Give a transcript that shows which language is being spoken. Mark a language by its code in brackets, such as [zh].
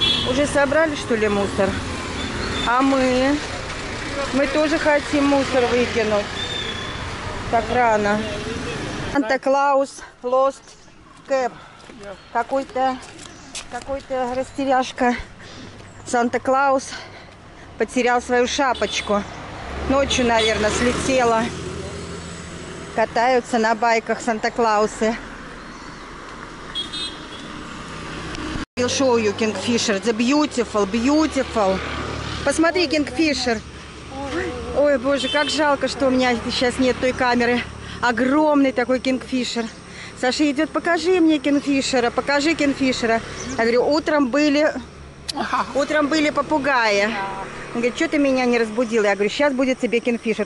[ru] Уже собрали, что ли, мусор? А мы тоже хотим мусор выкинуть. Так рано. [en] Санта-Клаус lost cap. [ru] Какой-то растеряшка. Санта-Клаус потерял свою шапочку. Ночью, наверное, слетела. Катаются на байках Санта-Клаусы. [en] We'll show you Kingfisher. The beautiful, beautiful. [ru] Посмотри, Kingfisher. Ой, боже, как жалко, что у меня сейчас нет той камеры. Огромный такой Kingfisher. Саша идет, покажи мне Кингфишера, покажи Кингфишера. Я говорю, утром были попугаи. Он говорит, что ты меня не разбудил? Я говорю, сейчас будет тебе Кингфишер.